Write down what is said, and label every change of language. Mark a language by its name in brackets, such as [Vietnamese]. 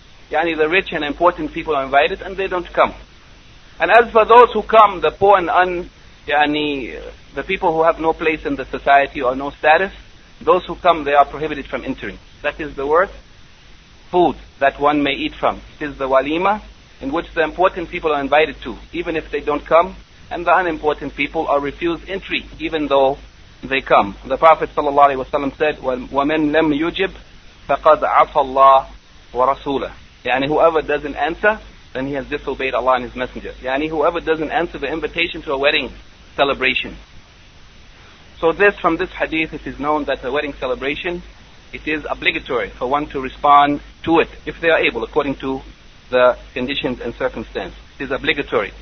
[English] Yani the rich and important people are invited and they don't come. And as for those who come, the poor and the people who have no place in the society or no status, those who come, they are prohibited from entering. That is the worst food that one may eat from. It is the walima, in which the important people are invited to, even if they don't come, and the unimportant people are refused entry, even though they come. The Prophet ﷺ said, [Arabic] وَمَنْ لَمْ يُجِبْ فَقَدْ عَصَى اللَّهُ وَرَسُولَهُ. [English] Yani whoever doesn't answer, then he has disobeyed Allah and His Messenger. Yani whoever doesn't answer the invitation to a wedding celebration. So this, from this hadith, it is known that the wedding celebration, it is obligatory for one to respond to it, if they are able, according to the conditions and circumstances. It is obligatory.